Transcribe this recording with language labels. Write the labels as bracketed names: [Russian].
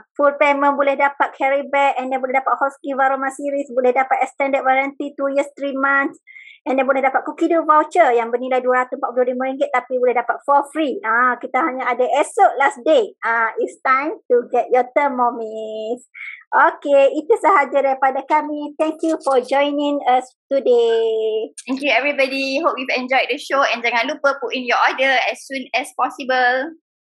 [English] Full payment [Malay] boleh dapat [English] carry bag, and then boleh dapat Husky Varoma series, boleh dapat extended warranty 2 years 3 months. And then [Malay] boleh dapat Kukido voucher yang bernilai RM245 tapi boleh dapat [English] for free. [Malay] Kita hanya ada esok [English] last day. It's time to get your Thermomix. [Malay] Okay, itu sahaja daripada kami. [English] Thank you for joining us today. Thank you everybody. Hope you've enjoyed the show. And [Malay] jangan lupa [English] put in your order as soon as possible.